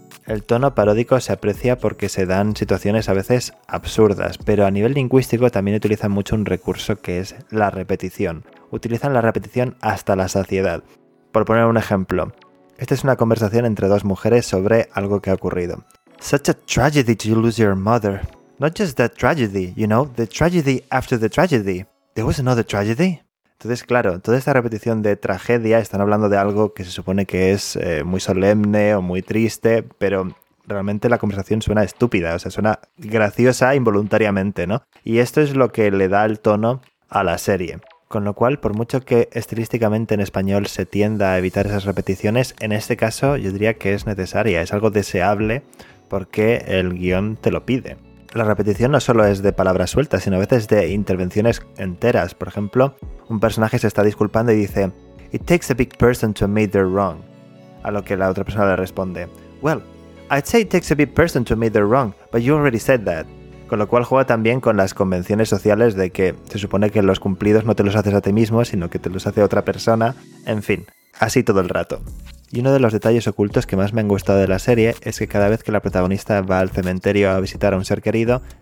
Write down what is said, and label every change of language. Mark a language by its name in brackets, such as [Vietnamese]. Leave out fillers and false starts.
[Spanish] El tono paródico se aprecia porque se dan situaciones a veces absurdas, pero a nivel lingüístico también utilizan mucho un recurso que es la repetición. Utilizan la repetición hasta la saciedad. Por poner un ejemplo, esta es una conversación entre dos mujeres sobre algo que ha ocurrido. [English] Such a tragedy to lose your mother. Not just that tragedy, you know, the tragedy after the tragedy. There was another tragedy. [Spanish] Entonces, claro, toda esta repetición de tragedia, están hablando de algo que se supone que es muy solemne o muy triste, pero realmente la conversación suena estúpida, o sea, suena graciosa involuntariamente, ¿no? Y esto es lo que le da el tono a la serie. Con lo cual, por mucho que estilísticamente en español se tienda a evitar esas repeticiones, en este caso yo diría que es necesaria, es algo deseable porque el guión te lo pide. La repetición no solo es de palabras sueltas, sino a veces de intervenciones enteras. Por ejemplo, un personaje se está disculpando y dice [English] «It takes a big person to admit they're wrong». [Spanish] A lo que la otra persona le responde [English] «Well, I'd say it takes a big person to admit they're wrong, but you already said that». [Spanish] Con lo cual juega también con las convenciones sociales de que se supone que los cumplidos no te los haces a ti mismo, sino que te los hace otra persona. En fin, así todo el rato. Y uno de los detalles ocultos que más me han gustado de la serie es que cada vez que la protagonista va al cementerio a visitar a un ser querido,